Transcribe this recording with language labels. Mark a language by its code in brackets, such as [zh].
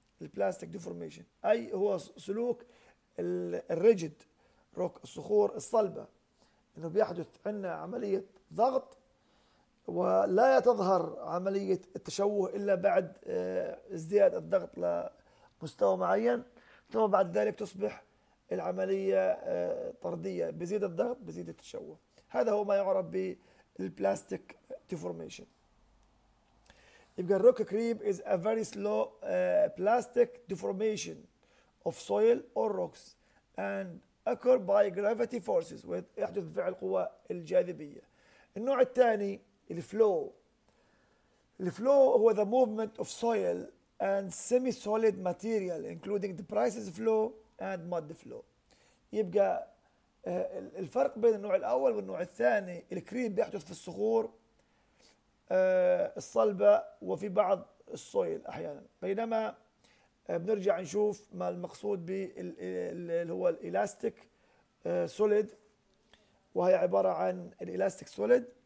[ar] البلاستيك ديفورميشن أي هو سلوك الريجيد روك، الصخور الصلبة، أنه بيحدث عندنا عملية ضغط ولا تظهر عملية التشوه إلا بعد ازدياد الضغط لمستوى معين، ثم بعد ذلك تصبح العملية طردية، بزيد الضغط بزيد التشوه. هذا هو ما يعرف بالبلاستيك ديفورميشن. يبقى الروك كريب [en] is a very slow plastic deformation of soil or rocks and occur by gravity forces، [ar] ويحدث بفعل القوى الجاذبية. النوع الثاني الفلو. الفلو هو [en] the movement of soil and semi-solid material including the precious flow and mud flow. [ar] يبقى الفرق بين النوع الأول والنوع الثاني، الكريب بيحدث في الصخور الصلبة وفي بعض الصويل أحيانا، بينما بنرجع نشوف ما المقصود به اللي هو الإلاستيك سوليد، وهي عبارة عن الإلاستيك سوليد.